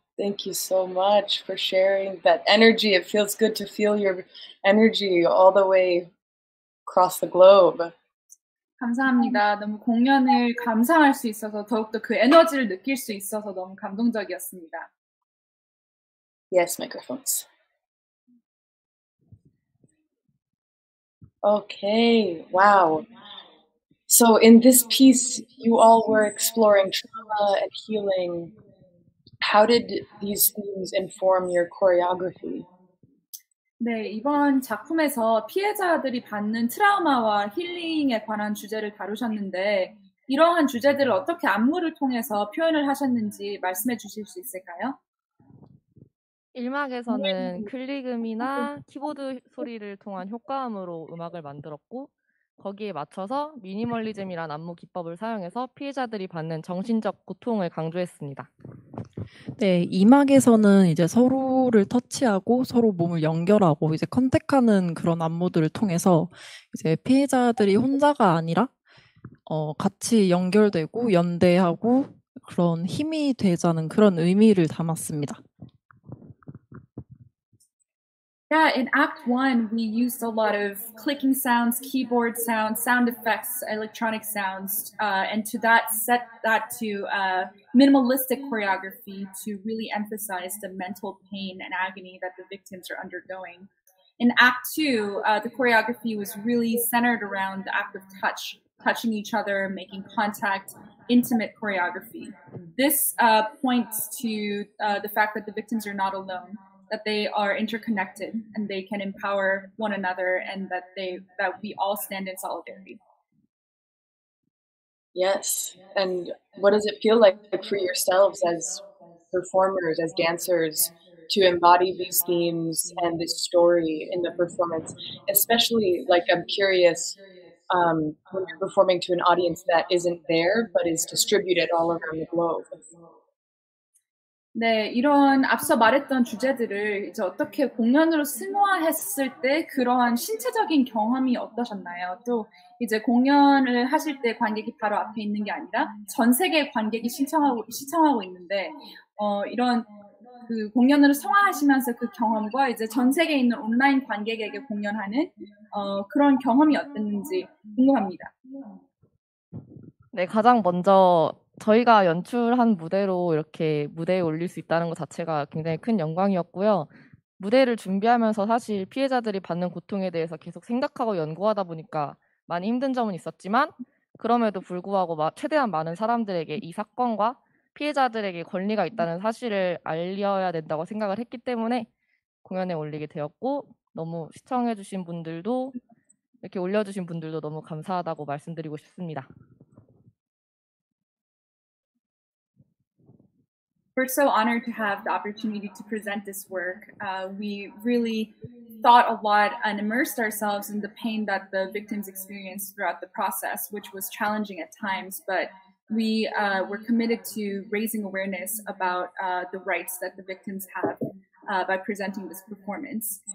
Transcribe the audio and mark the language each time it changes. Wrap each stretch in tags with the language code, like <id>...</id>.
<en>Thank you so much for sharing that energy. It feels good to feel your energy all the way across the globe.</en> <ko>감사합니다. 너무 공연을 감상할 수 있어서 더욱더 그 에너지를 느낄 수 있어서 너무 감동적이었습니다.</ko> <en>Yes, microphones. Okay. Wow. So in this piece, you all were exploring trauma and healing. How did these themes inform your choreography?</en> <ko>네, 이번 작품에서 피해자들이 받는 트라우마와 힐링에 관한 주제를 다루셨는데 이러한 주제들을 어떻게 안무를 통해서 표현을 하셨는지 말씀해 주실 수 있을까요? 1막에서는 클릭음이나 키보드 소리를 통한 효과음으로 음악을 만들었고 거기에 맞춰서 미니멀리즘이란 안무 기법을 사용해서 피해자들이 받는 정신적 고통을 강조했습니다. 네, 2막에서는 이제 서로를 터치하고 서로 몸을 연결하고 이제 컨택하는 그런 안무들을 통해서 이제 피해자들이 혼자가 아니라 같이 연결되고 연대하고 그런 힘이 되자는 그런 의미를 담았습니다.</ko> <en>Yeah, in Act 1, we used a lot of clicking sounds, keyboard sounds, sound effects, electronic sounds, and to that set that to a minimalistic choreography to really emphasize the mental pain and agony that the victims are undergoing. In Act 2, the choreography was really centered around the act of touch, touching each other, making contact, intimate choreography. This points to the fact that the victims are not alone, that they are interconnected and they can empower one another and that we all stand in solidarity. Yes, and what does it feel like for yourselves as performers, as dancers, to embody these themes and this story in the performance? Especially, like, I'm curious, when you're performing to an audience that isn't there but is distributed all around the globe.</en> <ko>네, 이런 앞서 말했던 주제들을 이제 어떻게 공연으로 승화했을 때 그러한 신체적인 경험이 어떠셨나요? 또 이제 공연을 하실 때 관객이 바로 앞에 있는 게 아니라 전 세계 관객이 시청하고 있는데 이런 그 공연을 승화하시면서 그 경험과 이제 전 세계에 있는 온라인 관객에게 공연하는 그런 경험이 어땠는지 궁금합니다. 네, 가장 먼저 저희가 연출한 무대로 이렇게 무대에 올릴 수 있다는 것 자체가 굉장히 큰 영광이었고요. 무대를 준비하면서 사실 피해자들이 받는 고통에 대해서 계속 생각하고 연구하다 보니까 많이 힘든 점은 있었지만 그럼에도 불구하고 최대한 많은 사람들에게 이 사건과 피해자들에게 권리가 있다는 사실을 알려야 된다고 생각을 했기 때문에 공연에 올리게 되었고 너무 시청해주신 분들도 이렇게 올려주신 분들도 너무 감사하다고 말씀드리고 싶습니다.</ko> <en>We're so honored to have the opportunity to present this work. We really thought a lot and immersed ourselves in the pain that the victims experienced throughout the process, which was challenging at times, but we were committed to raising awareness about the rights that the victims have by presenting this performance.</en>